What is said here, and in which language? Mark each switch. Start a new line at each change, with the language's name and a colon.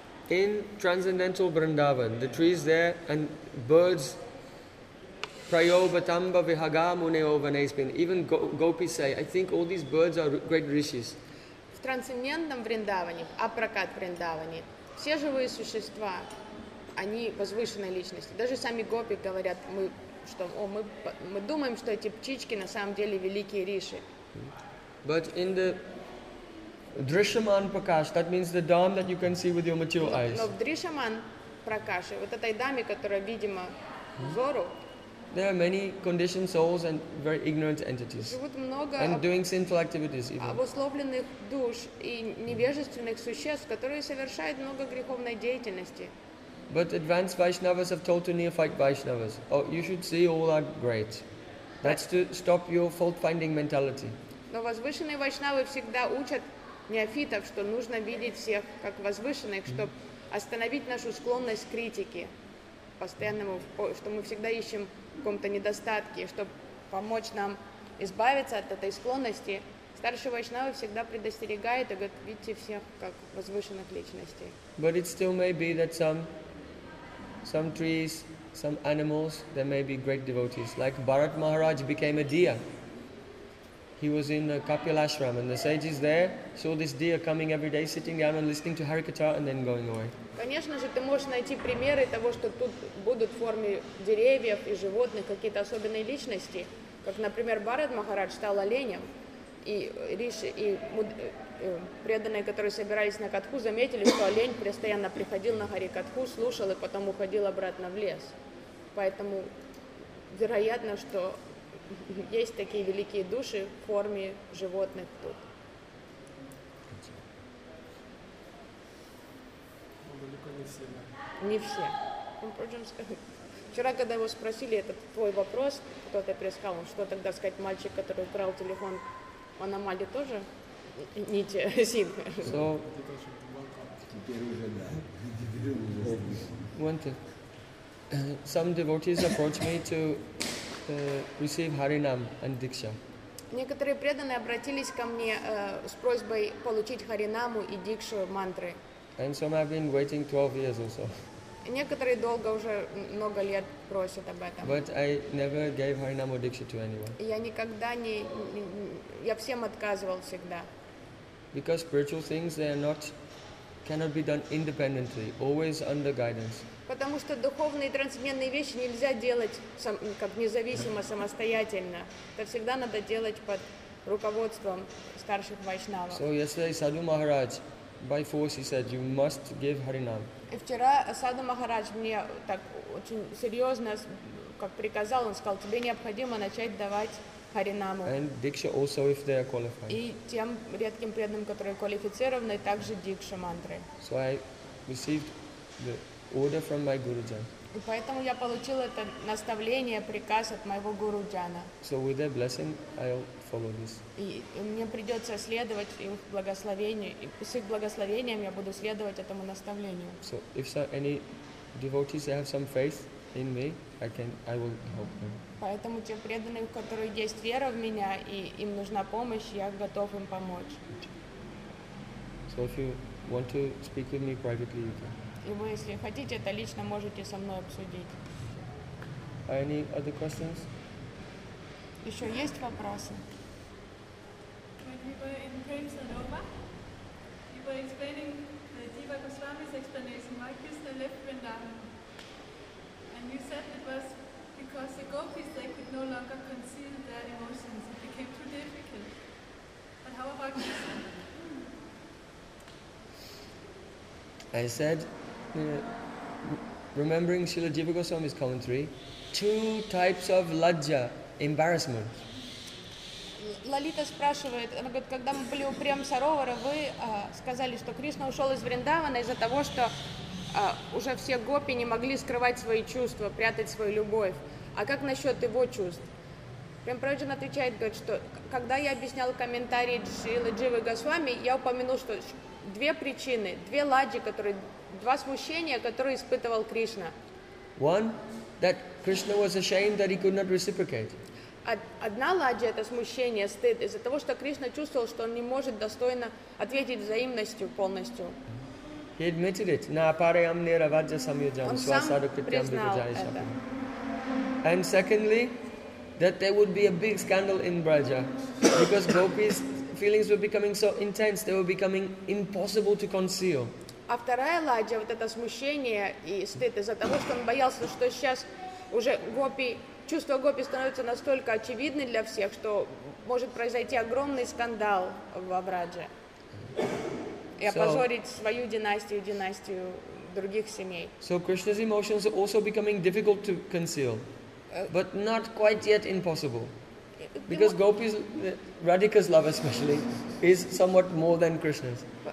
English: In transcendental Vrindavan, the trees there and birds,
Sanskrit: prayoba tamba vihaga muneo vanespin,
English: even gopis say, I think all these birds are great rishis.
Russian: В трансцендентном Вриндаване, апракат Вриндаване, все живые существа, они возвышенные личности. Даже сами гопи говорят, мы что о, мы думаем, что эти птички на самом деле великие риши.
English: But in the Drishyaman Prakash, that means the dham that you can see with your material eyes.
Russian: Но в Drishyaman Prakashе, вот этой дхаме, которая видима взору,
English: there are many conditioned souls and very ignorant entities.
Russian: Живут много
English: and doing sinful activities even.
Russian: Обусловленных душ и невежественных существ, которые совершают много греховной деятельности.
English: But advanced Vaishnavas have told to neophyte Vaishnavas, oh, you should see all our great. That's to stop your fault-finding mentality.
Russian: Но возвышенные вайшнавы всегда учат неофитов, что нужно видеть всех как возвышенных, чтобы остановить нашу склонность к критике постоянному, что мы всегда ищем в каком-то недостатке, чтобы помочь нам избавиться от этой склонности. Старший вайшнавы всегда предостерегает и говорит, видите всех как возвышенных личностей.
English: But it still may be that some trees, some animals, there may be great devotees. Like Bharat Maharaj became a deer. He was in the Kapilashram and the sages there saw this deer coming every day, sitting down and listening to Harikatha and then going away.
Russian: Конечно же, ты можешь найти примеры того, что тут будут в форме деревьев и животных какие-то особенные личности. Как, например, Бхарат Махарадж стал оленем, и риши, и преданные, которые собирались на катху, заметили, что олень постоянно приходил на Харикатху, слушал и потом уходил обратно в лес. Поэтому вероятно, что есть такие великие души в форме животных тут. Не все. Вчера, когда его спросили этот твой вопрос, кто-то прислал, что тогда сказать мальчик, который украл телефон в аномалии тоже? Нити синхы.
English: So, some devotees approach me to receive Харинам and Дикша.
Russian: Некоторые преданные обратились ко мне с просьбой получить Харинаму и Дикшу мантры.
English: And some have been waiting 12 years or so.
Russian: Некоторые долго уже много лет просят об этом.
English: But I never gave Харинам or Дикша to anyone.
Russian: Я никогда не... Я всем отказывал всегда.
English: Because spiritual things, they are not... cannot be done independently, always under guidance.
Russian: Потому что духовные и трансцендентные вещи нельзя делать сам, как независимо, самостоятельно. Это всегда надо делать под руководством старших вайшнавов.
English: So yesterday Sadhu Maharaj, by force, he said, you must give Харинам.
Russian: И вчера Sadhu Maharaj мне так очень серьезно, как приказал, он сказал, тебе необходимо начать давать Харинаму.
English: And Дикша also, if they are qualified.
Russian: И тем редким преданным, которые квалифицированы, также Дикша мантры.
English: So I received the order from my Gurujan.
Russian: И поэтому я получил это наставление, приказ от моего Гуруджана.
English: So with their blessing, I'll follow this.
Russian: И мне придется следовать их благословению, и с их благословением я буду следовать этому наставлению.
English: So if so, any devotees have some faith in me, I will help them.
Russian: Поэтому те преданные, у которых есть вера в меня, и им нужна помощь, я готов им помочь.
English: So if you want to speak with me privately, you can.
Russian: И вы, если хотите, это лично можете со мной обсудить.
English: Any other questions?
Russian: Еще есть вопросы?
English: When we were in Prem Sanoma, you were explaining the Diva Goswami's explanation why Krishna left Vrindavan. And you said it was because the gopis, they could no longer conceal their emotions. It became too difficult. But how about Krishna? I said, remembering Srila Jiva Goswami's commentary, two types of lajja, embarrassment.
Russian: Лалита спрашивает, она говорит, когда мы были у Прем Саровара, вы сказали, что Кришна ушел из Вриндавана из-за того, что уже все гопи не могли скрывать свои чувства, прятать свою любовь. А как насчет его чувств? Прем Праджан отвечает, говорит, что когда я объяснял комментарии Шрилы Дживы Госвами, я упомянул, что две причины, две ладжи, которые... Два смущения, которые испытывал Кришна.
English: One, that Krishna was ashamed that he could not reciprocate.
Russian: Одна ладжа — это смущение, стыд, из-за того, что Кришна чувствовал, что он не может достойно ответить взаимностью полностью.
English: He admitted it.
Sanskrit: На апарям нераваджа самьюджан.
Russian: Он сам признал это.
English: And secondly, that there would be a big scandal in Braja, because gopis' feelings were becoming so intense, they were becoming impossible to conceal.
Russian: А вторая ладжа, вот это смущение и стыд из-за того, что он боялся, что сейчас уже гопи чувство гопи становится настолько очевидным для всех, что может произойти огромный скандал в Абрадже и опозорить свою династию, династию других семей.
English: So Krishna's emotions are also becoming difficult to conceal, but not quite yet impossible. Because Gopi's, Radhika's love especially, is somewhat more than Krishna's.